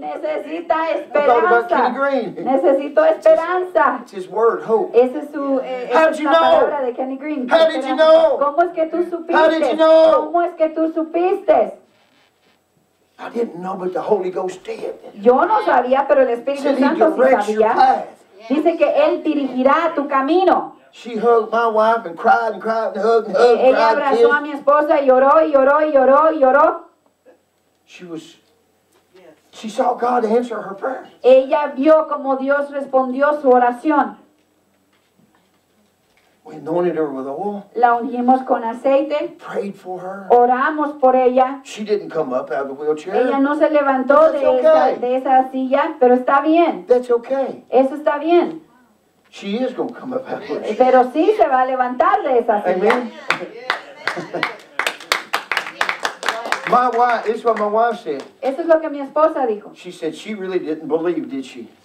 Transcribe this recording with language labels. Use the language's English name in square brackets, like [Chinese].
[Spanish] Necesita esperanza. [English] About Kenny Green. [Spanish] Necesito esperanza. [English] It's his word, hope. [Spanish] Ese es su palabra de Kenny Green. [English] How did you know? [Spanish] ¿Cómo es que tú supiste? [English] How did you know? [Spanish] ¿Cómo es que tú supiste? [English] I didn't know, but the Holy Ghost did. [Spanish] Yo no sabía, pero el Espíritu Santo sí sabía. Dice que Él dirigirá tu camino. [English] She hugged my wife and cried and cried and hugged and hugged. [Spanish] Ella abrazó a mi esposa y lloró y lloró y lloró y lloró. [English] She saw God answer her prayer. [Spanish] Ella vio como Dios respondió su oración. [English] We anointed her with oil. [Spanish] La ungimos con aceite. [English] Prayed for her. [Spanish] Oramos por ella. [English] She didn't come up out of the wheelchair. [Spanish] Ella no se levantó de esa silla, pero está bien. [English] That's okay. [Spanish] Eso está bien. [English] She is going to come up out of the [Spanish] wheelchair. Pero sí se va a levantar de esa silla. [English] Amen. My wife, this is what my wife said. [Spanish] Eso es lo que mi esposa dijo. [English] She said she really didn't believe, did she?